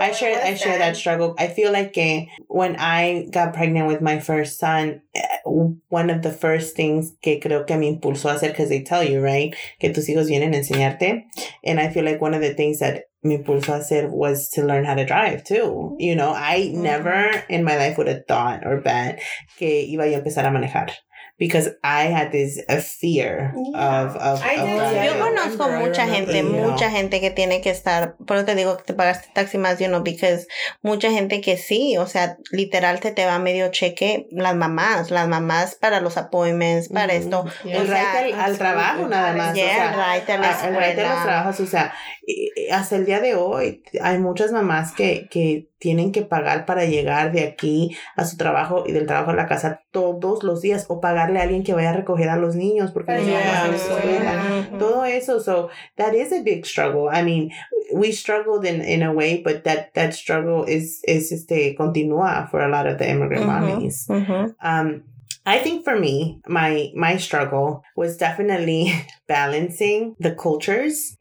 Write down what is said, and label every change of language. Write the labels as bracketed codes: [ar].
[en] I share that struggle. I feel like when I got pregnant with my first son, one of the first things [es] que creo que me impulsó a hacer, [en] because they tell you, right, [es] que tus hijos vienen a enseñarte, [en] and I feel like one of the things that [es] me impulsó a hacer [en] was to learn how to drive too. You know, I never in my life would have thought or bet [es] que iba yo a empezar a manejar. [en] Because I had this fear of I did. [es] Yo conozco mucha gente que tiene que estar, pero te digo que te pagaste taxi más de uno, because mucha gente que sí, o sea, literal se te va medio cheque, las mamás para los appointments, para esto. [en] Yeah. [es] El ride al trabajo nada más. [en] Yeah, [es] o sea, ride a la escuela. El ride a los trabajos, o sea, hasta el día de hoy hay muchas mamás que tienen que pagar para llegar de aquí a su trabajo y del trabajo a la casa todos los días, o pagarle a alguien que vaya a recoger a los niños porque no van a la escuela. Todo eso. [en] So that is a big struggle. I mean, we struggled in a way, but that struggle is continua for a lot of the immigrant mommies. I think for me, my struggle was definitely balancing the cultures.